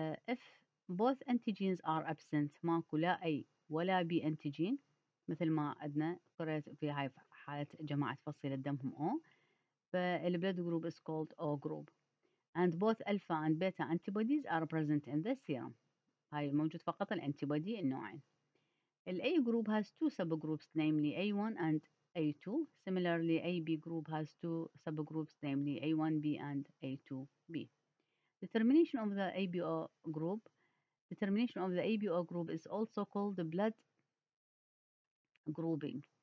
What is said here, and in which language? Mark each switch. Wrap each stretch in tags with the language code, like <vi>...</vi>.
<en>If both antigens are absent</en> <ar>ماكو لا A ولا B antigen مثل ما عندنا قريت في هاي حالة جماعة فصيلة دمهم O فالـ</ar> <en>blood group is called O group. And both alpha and beta antibodies are present in the serum.</en> <ar>هاي موجود فقط الانتيبودي النوعين.</ar> <en>الـ A group has two subgroups namely A1 and A2. Similarly AB group has two subgroups namely A1B and A2B. Determination of the ABO group. Determination of the ABO group is also called the blood grouping.</en>